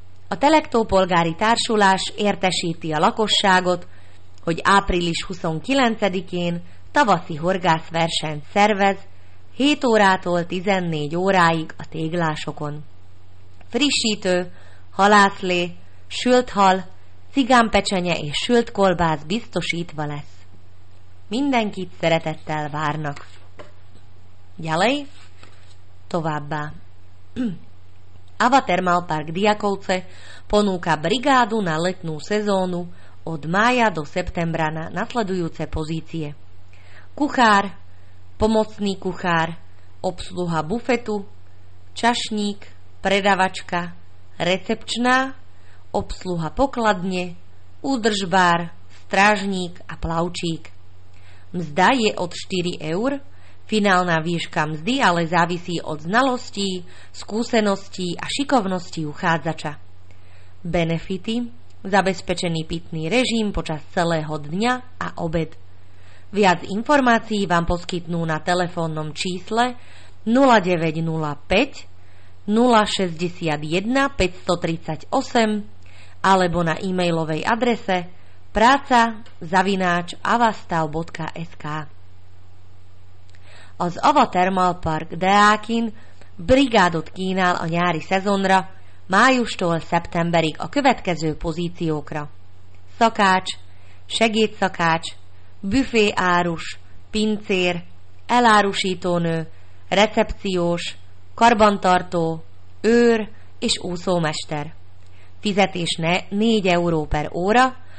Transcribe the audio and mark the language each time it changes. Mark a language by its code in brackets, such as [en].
[hu] A Telektó Polgári Társulás értesíti a lakosságot, hogy április 29-én tavaszi horgászversenyt szervez 7 órától 14 óráig a téglásokon. Frissítő, halászlé, sült hal, cigánpecsenye és sült kolbász biztosítva lesz. Mindenkit szeretettel várnak. Gyalej, továbbá. [sk] Ava Thermal Park Diakovce ponúka brigádu na letnú sezónu od mája do septembra na nasledujúce pozície. Kuchár, pomocný kuchár, obsluha bufetu, čašník, predavačka, recepčná, obsluha pokladne, údržbár, strážník a plavčík. Mzda je od 4 eur. Finálna výška mzdy ale závisí od znalostí, skúseností a šikovnosti uchádzača. Benefity: zabezpečený pitný režim počas celého dňa a obed. Viac informácií vám poskytnú na telefónnom čísle 0905 061 538 alebo na e-mailovej adrese praca@avastav.sk. [hu] Az Ava Thermal Park Deákin brigádot kínál a nyári szezonra, májustól szeptemberig a következő pozíciókra. Szakács, segédszakács, büféárus, pincér, elárusítónő, recepciós, karbantartó, őr és úszómester. Fizetés 4 euró per óra,